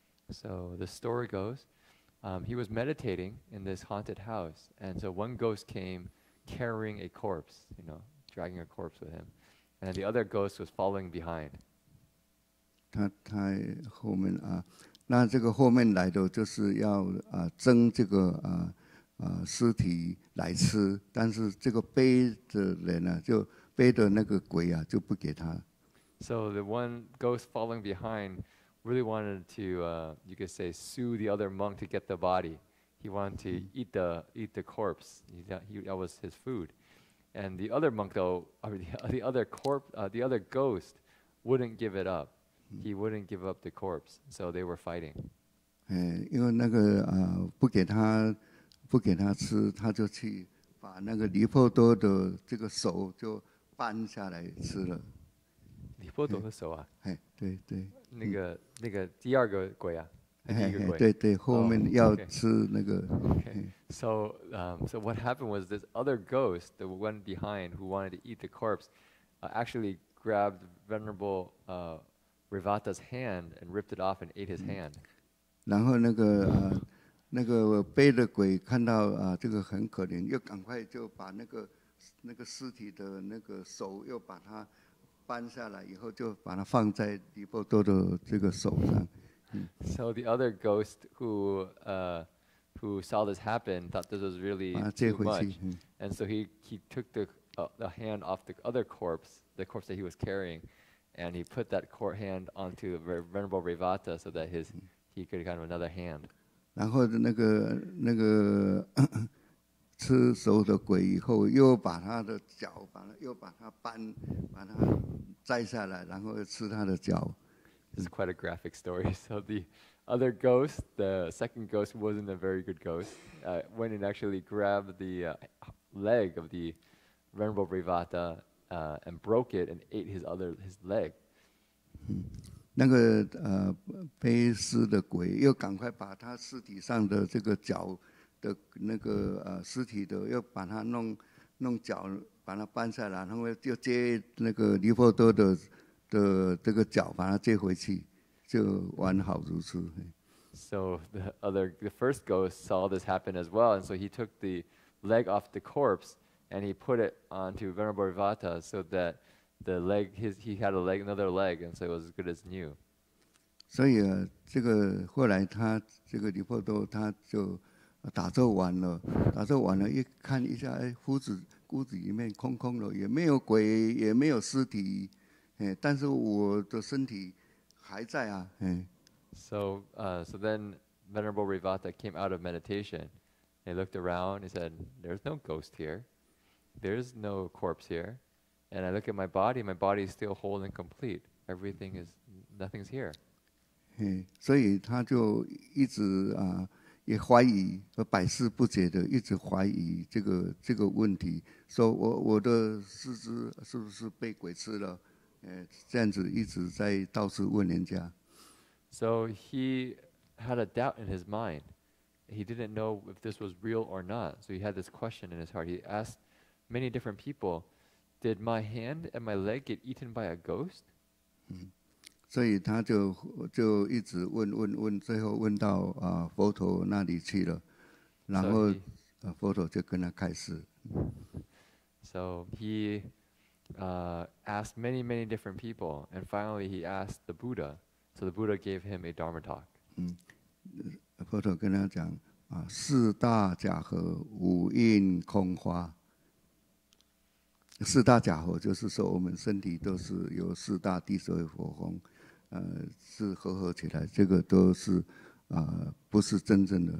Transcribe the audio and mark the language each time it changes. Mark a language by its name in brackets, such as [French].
[English] So the story goes,he was meditating in this haunted house, and so one ghost came carrying a corpse, you know, dragging a corpse with him, and the other ghost was following behind. [Chinese] 他后面那这个后面来的就是要蒸这个尸体来吃，但是这个背的人啊，就背的那个鬼啊，就不给他。 [English] So the one ghost following behind. Really wanted to, you could say, sue the other monk to get the body. He wanted to eat the corpse. That was his food. And the other monk, though, or the other ghost, wouldn't give it up. He wouldn't give up the corpse. So they were fighting. [Chinese] 因为那个不给他吃，他就去把那个尼波多的这个手就搬下来吃了。李波多的手啊，对对，那个第二个鬼啊，对对，后面要吃那个。 [English] So, so what happened was this other ghost, the one behind who wanted to eat the corpse, actually grabbed Venerable Rivata's hand and ripped it off and ate his hand. [Chinese] 然后那个背的鬼看到这个很可怜，又赶快就把那个尸体的那个手又把它。搬下来以后就把它放在迪波多的这个手上。 [English] So the other ghost who saw this happen thought this was really too much, and so he took the hand off the other corpse, the corpse that he was carrying, and he put that core hand onto Venerable Revata so that he could kind of another hand. [Chinese] 然后那个吃熟的鬼以后又把他的脚把他搬把他摘下来然后又吃他的脚 [English] This is quite a graphic story. So the other ghost, the second ghost wasn't a very good ghost, went and actually grabbed the leg of the Venerable Rivata and broke it and ate his leg. [Chinese] 那个背尸的鬼又赶快把他尸体上的这个脚的那个尸体的又把它弄脚把它搬下来然后就接那个尼波多的这个脚把它接回去就完好如初 [English] So the first ghost saw this happen as well and so he took the leg off the corpse and he put it onto Venerable Rivata so that the leg he had a leg another leg and so it was as good as new [Chinese] 所以这个后来他这个尼波多他就打坐完了一看一下屋子里面空空的也没有鬼也没有尸体但是我的身体还在啊。 [English] So then Venerable Rivatta came out of meditation. He looked around. He said, "There's no ghost here. There's no corpse here." And I look at my body. My body is still whole and complete. Everything is, nothing's here. [Chinese] 所以他就一直啊。也怀疑，我百思不解的，一直怀疑这个问题，说我的四肢是不是被鬼吃了？这样子一直在到处问人家。 [English] So he had a doubt in his mind. He didn't know if this was real or not. So he had this question in his heart. He asked many different people, "Did my hand and my leg get eaten by a ghost?" [Chinese] 所以他就一直问，最后问到佛陀那里去了，然后佛陀就跟他开始。 [English] So he asked many, many different people, and finally he asked the Buddha. So the Buddha gave him a Dharma talk. [Chinese] 佛陀跟他讲四大假合，五蕴空花。四大假合就是说我们身体都是由四大地水火风。是合起来，这个都是不是真正的。